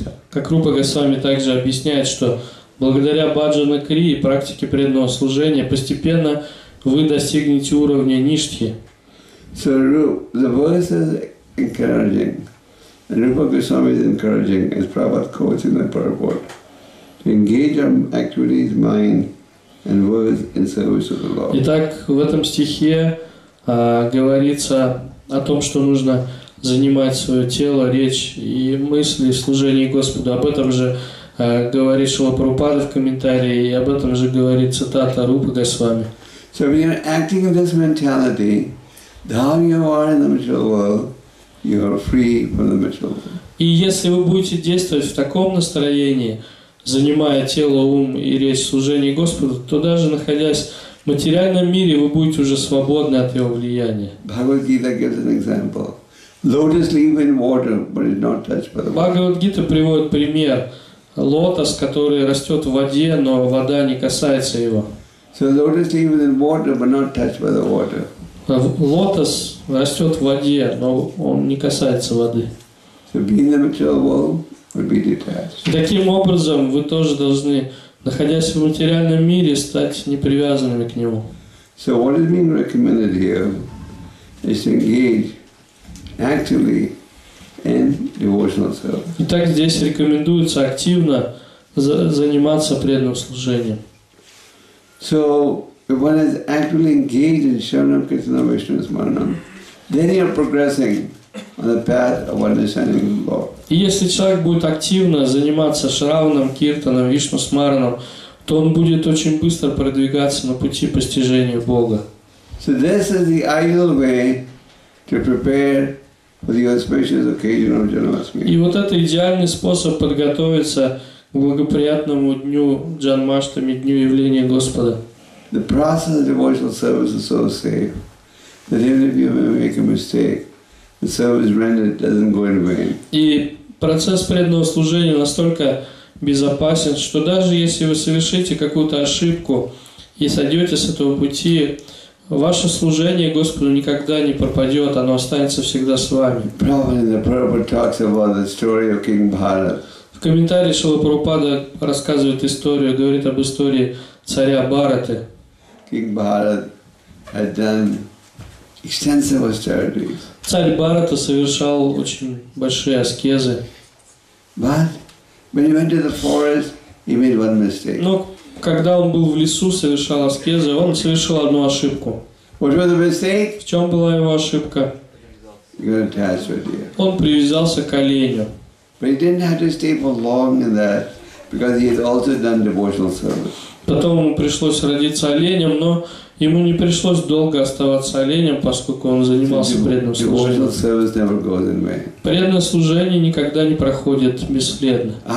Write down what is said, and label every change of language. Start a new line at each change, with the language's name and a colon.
Russian: Как Рупа Госвами также объясняет, что благодаря баджана крии, практике преданного служения, постепенно вы достигнете уровня ништхи.
English: So the verse is encouraging. And Rupa Goswami is encouraging, as Prabhupada quotes in the purport, to engage our activities, mind, and words in service of the Lord.
Russian: Итак, в этом стихе говорится о том, что нужно занимать свое тело, речь и мысли в служении Господу. Об этом же говорит Шрила Прабхупада в комментарии, и об этом же говорит цитата Рупы Госвами.
English: So when you're acting in this mentality, how you are in the material world, you are free from the material world.
Russian: И если вы будете действовать в таком настроении, занимая тело, ум и речь в служении Господу, то даже находясь в материальном мире, вы будете уже свободны от его влияния.
English: Bhagavad-gita gives an example. Lotus leaf in water, but it's not touched by the water.
Russian: Bhagavad-gita приводит пример. Лотос, который растет в воде, но вода не касается его.
English: So lotus leaf is in water, but not touched by the water.
Russian: Лотос растет в воде, но он не касается воды.
English: So being in the material world would be detached.
Russian: Таким образом, вы тоже должны, находясь в материальном мире, стать непривязанными к нему.
English: So what is being recommended here is to engage actively in devotional service.
Russian: Итак, здесь рекомендуется активно заниматься преданным служением.
English: So, So one is actively engaged in Sharanam, Kirtana, Vishnu, Smaranam. Then you are progressing on the path of understanding the law.
Russian: Если человек будет активно заниматься Шраваном, Киртаном, Вишну, Смараном, то он будет очень быстро продвигаться на пути постижения Бога.
English: So this is the ideal way to prepare for the auspicious occasion of Janmashtami.
Russian: И вот это идеальный способ подготовиться к благоприятному дню Джанмаштами, дню явления Господа.
English: The process of devotional service is so safe that even if you make a mistake, the service rendered doesn't go in vain.
Russian: И процесс преданного служения настолько безопасен, что даже если вы совершите какую-то ошибку и сойдете с этого пути, ваше служение Господу никогда не пропадет, оно останется всегда с вами. В комментарии Шрила Прабхупада рассказывает историю, говорит об истории царя Бхараты. Царь Бхарата совершал очень большие аскезы.
English: When he went to the forest, he made one mistake.
Russian: Но когда он был в лесу, совершал аскезы, он совершил одну ошибку.
English: What was the mistake?
Russian: В чем была его ошибка?
English: He got attached to the deer.
Russian: Он привязался к оленю.
English: But he didn't have to stay for long in that, because he had also done devotional service.
Russian: Потом ему пришлось родиться оленем, но ему не пришлось долго оставаться оленем, поскольку он занимался преданным служением. Преданное служение никогда не проходит бесследно.